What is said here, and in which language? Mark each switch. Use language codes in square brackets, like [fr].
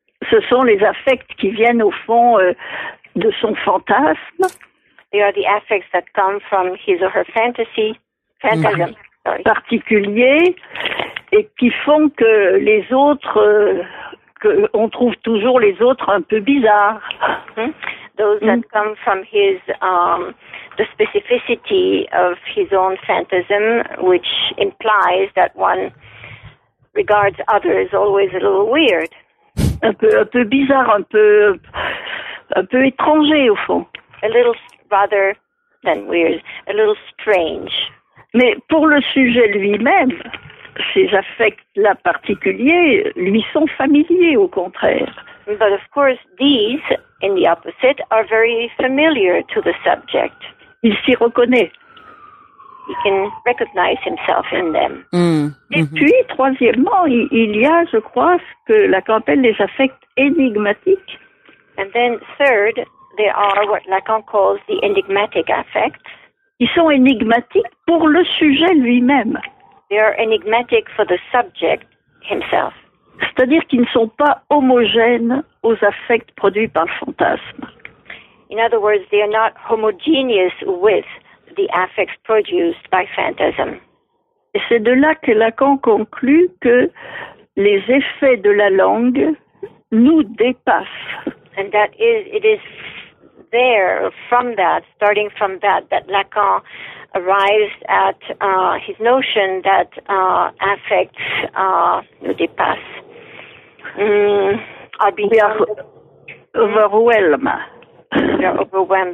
[fr] Ce sont les affects qui viennent au fond de son fantasme. [en] They are the affects that come from his or her fantasy. Mm-hmm. [fr] Particuliers et qui font que les autres, qu'on trouve toujours les autres un peu bizarres. Mm-hmm. [en] Those that come from his, the specificity of his own phantasm, which implies that one regards others always a little weird. [fr] Un peu bizarre, un peu étranger au fond. [en] A little rather than weird, a little strange. [fr] Mais pour le sujet lui-même, ces affects-là particuliers lui sont familiers, au contraire. [en] But of course, these, in the opposite are very familiar to the subject. [fr] Il s'y reconnaît. [en] He can recognize himself in them. [fr] Et puis, troisièmement, il y a, je crois, ce que Lacan appelle les affects énigmatiques. [en] And then, third, there are what Lacan calls the enigmatic affects. [fr] Ils sont énigmatiques pour le sujet lui-même. [en] They are enigmatic for the subject himself. [fr] C'est-à-dire qu'ils ne sont pas homogènes aux affects produits par le fantasme. [en] In other words, they are not homogeneous with the affects produced by phantasm. [fr] Et c'est de là que Lacan conclut que les effets de la langue nous dépassent. [en] And that is, it is there, from that, starting from that, that Lacan arrives at his notion that affects [fr] nous dépassent. [en] We are overwhelmed